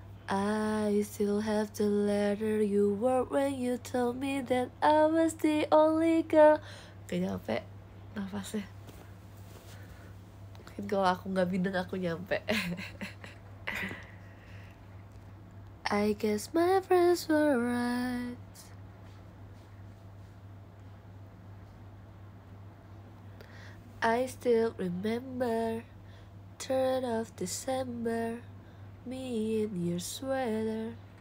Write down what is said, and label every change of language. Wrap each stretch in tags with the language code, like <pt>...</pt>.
<en>I still have the letter you wrote when you told me that I was the only girl.</en> <id>Gak nyampe nafasnya. Mungkin kalau aku gak bindeng aku nyampe.</id> <en>I guess my friends were right. I still remember third of December, me in your sweater.</en>